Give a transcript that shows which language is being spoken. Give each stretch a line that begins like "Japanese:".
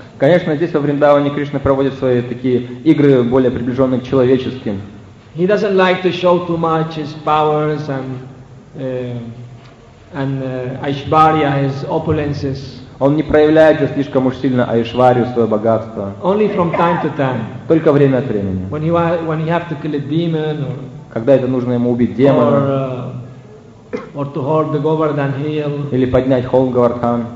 Russian: Конечно, здесь во Вриндаване Кришна проводит свои такие игры более приближенные к человеческим.
English: He doesn't like to show too much his powers and Aishwarya, his opulences.
Russian: Он не проявляется слишком уж сильно Айшварию, свое богатство.
English: Only from time to time.
Russian: Только время от времени.
English: When he have to kill a demon, or,
Russian: когда это нужно ему убить демона.
English: Or to hold the Govardhan Hill,
Russian: или поднять холм Говардхан.